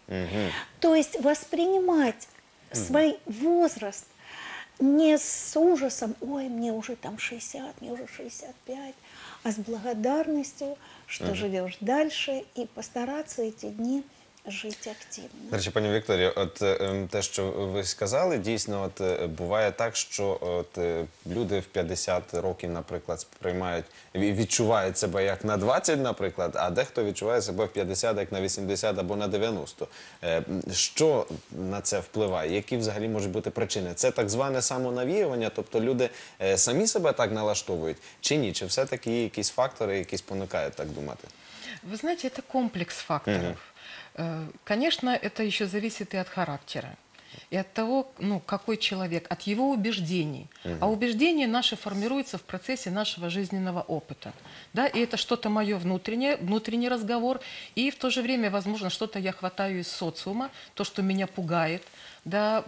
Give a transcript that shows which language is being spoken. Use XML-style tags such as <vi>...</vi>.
<ru>То есть воспринимать свой возраст не с ужасом: «Ой, мне уже там 60, мне уже 65», а с благодарностью, что живешь дальше, и постараться эти</ru> <uk>дні жити активно. Речі, пані Вікторія, от те, що ви сказали, дійсно, от буває так, що от люди в 50 років, наприклад, сприймають, відчувають себе як на 20, наприклад, а дехто відчуває себе в 50 як на 80 або на 90. Що на це впливає? Які взагалі можуть бути причини? Це так зване самонавіювання, тобто люди самі себе так налаштовують, чи ні? Чи все-таки є якісь фактори, які спонукають так думати?</uk> <ru>Вы знаете, это комплекс факторов. Конечно, это еще зависит и от характера. И от того, ну, какой человек, от его убеждений. А убеждения наши формируются в процессе нашего жизненного опыта. Да? И это что-то мое внутреннее, внутренний разговор. И в то же время, возможно, что-то я хватаю из социума, то, что меня пугает. Да?</ru>